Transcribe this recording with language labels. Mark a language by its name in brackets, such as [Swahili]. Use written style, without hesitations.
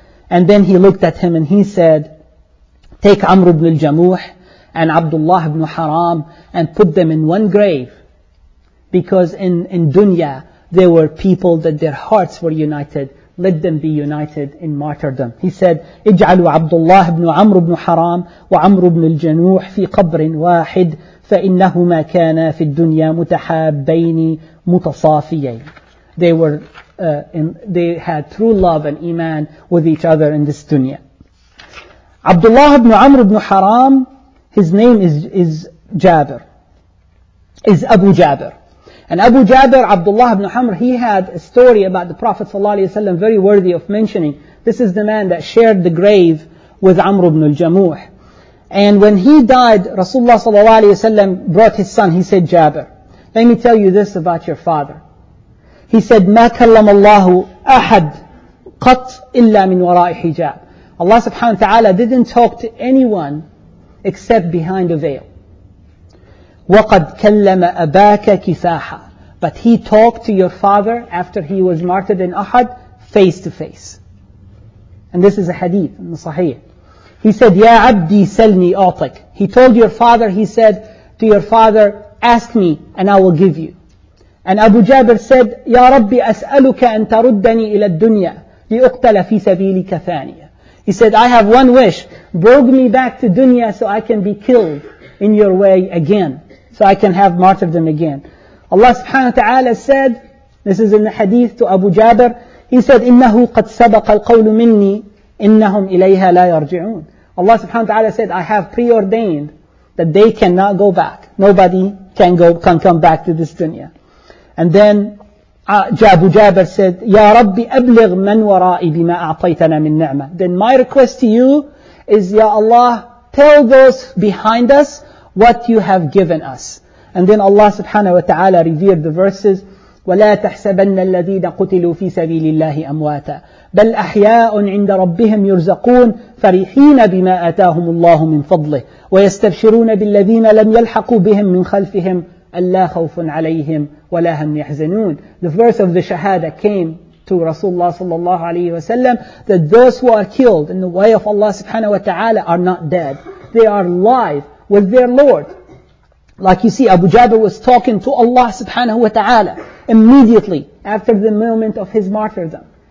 [English] And then he looked at him and he said, take Amr ibn al-Jamuh and Abdullah ibn Haram and put them in one grave. Because in dunya, there were people that their hearts were united. Let them be united in martyrdom. He said, [Arabic] اجعلوا عبد الله بن عمر بن حرام وعمر بن الجنوح في قبر واحد فإنهما كانا في الدنيا متحابين متصافيين. [English] They were, they had true love and iman with each other in this dunya. Abdullah ibn Amr ibn Haram, his name is Jabir, is Abu Jabir. And Abu Jabir Abdullah ibn Hamr, he had a story about the Prophet ﷺ very worthy of mentioning. This is the man that shared the grave with Amr ibn al-Jamuh. And when he died, Rasulullah ﷺ brought his son. He said, Jabir, let me tell you this about your father. He said, [Arabic] مَا كَلَّمَ اللَّهُ أَحَدْ قَطْ إِلَّا مِنْ وَرَاءِ حِجَابٍ. [English] Allah subhanahu wa ta'ala didn't talk to anyone except behind a veil. [Arabic] وَقَدْ كَلَّمَ أَبَاكَ كِفَاحًا. [English] But he talked to your father after he was martyred in Ahad face to face. And this is a hadith in the Sahih. He said, [Arabic] يَا عَبْدِي سَلْنِي أَعْطِكْ. [English] He told your father, he said to your father, ask me and I will give you. And Abu Jabir said, [Arabic] يَا رَبِّ أَسْأَلُكَ أَن تَرُدَّنِي إِلَى الدُّنْيَا لِأُقْتَلَ فِي سَبِيلِكَ ثَانِيَ. [English] He said, I have one wish. Bring me back to dunya so I can be killed in your way again. So I can have martyrdom again. Allah subhanahu wa ta'ala said, this is in the hadith to Abu Jabir, he said, [Arabic] إِنَّهُ قَدْ سَبَقَ الْقَوْلُ مِنِّي إِنَّهُمْ إِلَيْهَا لَا يَرْجِعُونَ. [English] Allah subhanahu wa ta'ala said, I have preordained that they cannot go back. Nobody can go, can come back to this dunya. And then Abu Jabir said, [Arabic] يَا رَبِّ أَبْلِغْ مَنْ وَرَائِي بِمَا أَعْطَيْتَنَا مِنْ نِعْمَةٍ. [English] Then my request to you is, Ya Allah, tell those behind us what you have given us. And then Allah subhanahu wa ta'ala revealed the verses, [Arabic] وَلَا تَحْسَبَنَّ الَّذِينَ قُتِلُوا فِي سَبِيلِ اللَّهِ أَمْوَاتًا بَلْ أَحْيَاءٌ عِنْدَ رَبِّهِمْ يُرْزَقُونَ فَرِحِينَ بِمَا آتَاهُمُ اللَّهُ مِنْ فَضْلِهِ وَيَسْتَبْشِرُونَ بِالَّذِينَ لَمْ يَلْحَقُوا بِهِمْ مِنْ خَلْفِهِمْ أَلَّا خَوْفٌ عَلَيْهِمْ وَلَا هُمْ يَحْزَنُونَ. [English] The verse of the shahada came to Rasulullah sallallahu alayhi wa sallam that those who are killed in the way of Allah subhanahu wa ta'ala are not dead. They are alive with their Lord. Like you see, Abu Jabir was talking to Allah subhanahu wa ta'ala immediately after the moment of his martyrdom.